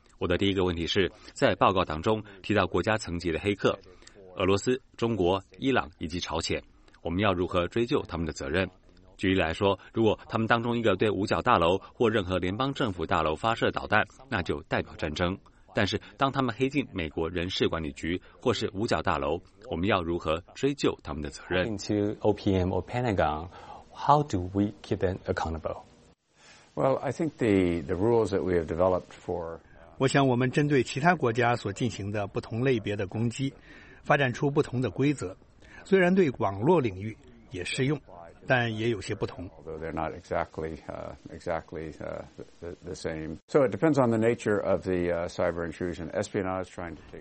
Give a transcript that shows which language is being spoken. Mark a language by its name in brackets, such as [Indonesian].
[Chinese] 我的第一个问题是，在报告当中提到国家层级的黑客，俄罗斯、中国、伊朗以及朝鲜，我们要如何追究他们的责任？举例来说，如果他们当中一个对五角大楼或任何联邦政府大楼发射导弹，那就代表战争。但是当他们黑进美国人事管理局或是五角大楼，我们要如何追究他们的责任？ [English] Into OPM or Pentagon, how do we keep them accountable? Well, I think the rules that we have developed for [Chinese] 我想我们针对其他国家所进行的不同类别的攻击，发展出不同的规则，虽然对网络领域也适用，但也有些不同。 [English] Although they're not exactly the same. So it depends on the nature of the cyber intrusion. Espionage is trying to take.